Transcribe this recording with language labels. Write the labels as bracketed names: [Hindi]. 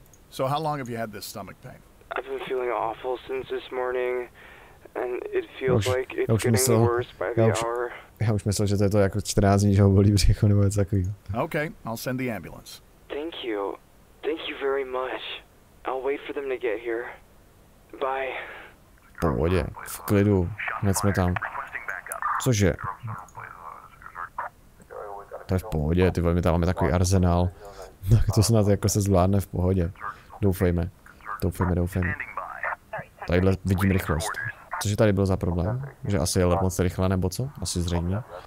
[English] So how long have you had this stomach pain? I've been feeling awful since this morning, and it feels like it's getting worse by the hour. [Czech] Já už myslel, že to je to jako 14 dní, že ho bolí břicho nebo něco takového. [English] Okay, I'll send the ambulance. Thank you. Thank you very much. I'll wait for them to get here. Bye. [Czech] Pohodě, v klidu, hned jsme tam. Cože? To je v pohodě, ty vole, my tam máme takový arzenál. Tak to snad jako se zvládne v pohodě. Doufejme. Doufejme. Tadyhle vidím rychlost. Cože tady byl za problém? Že asi jel moc rychle nebo co? Asi zřejmě.